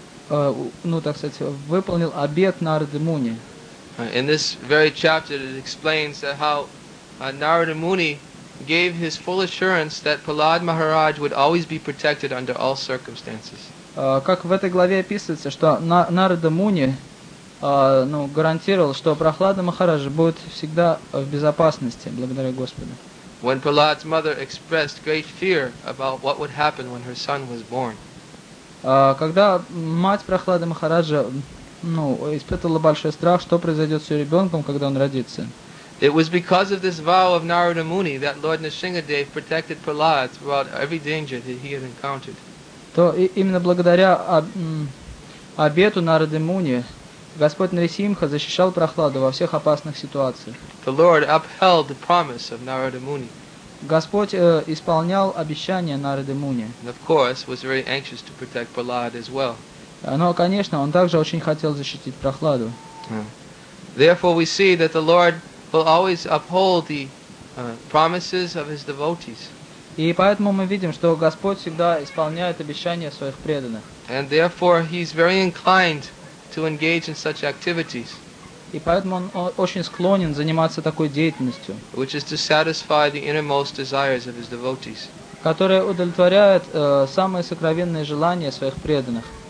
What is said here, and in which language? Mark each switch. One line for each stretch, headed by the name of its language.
Russian: ну, так сказать, выполнил обет Нарады Муни.
English: In this very chapter it explains how Narada Muni gave his full assurance that Prahlad Maharaj would always be protected under all circumstances.
Russian: Как в этой главе описывается, что Нарада Муни ну, гарантировал, что Прохлада Махарадж будет всегда в безопасности, благодаря Господу.
English: When Prahlad's mother expressed great fear about what would happen when her son was born.
Russian: Когда мать Прохлады Махараджа ну, испытывала большой страх, что произойдет с ее ребенком, когда он родится.
English: It was because of this vow of Narada Muni that Lord Nrisimhadev protected Prahlad throughout every danger that he had encountered.
Russian: То именно благодаря обету Нарады Муни Господь Нарисимха защищал Прохладу во всех опасных ситуациях.
English: The Lord upheld the promise of Narada Muni.
Russian: Господь исполнял обещание Нарады Муни.
English: And of course, was very anxious to protect Prahlad as well.
Russian: Но, конечно, он также очень хотел защитить Прохладу.
English: Therefore, we see that the Lord will always uphold the promises of his devotees.
Russian: И поэтому мы видим, что Господь всегда исполняет обещания своих преданных.
English: And therefore, he's very inclined to engage in such activities.
Russian: И поэтому он очень склонен заниматься такой деятельностью.
English: Which is to satisfy the innermost desires of his devotees.
Russian: Которая удовлетворяет самые сокровенные желания своих преданных.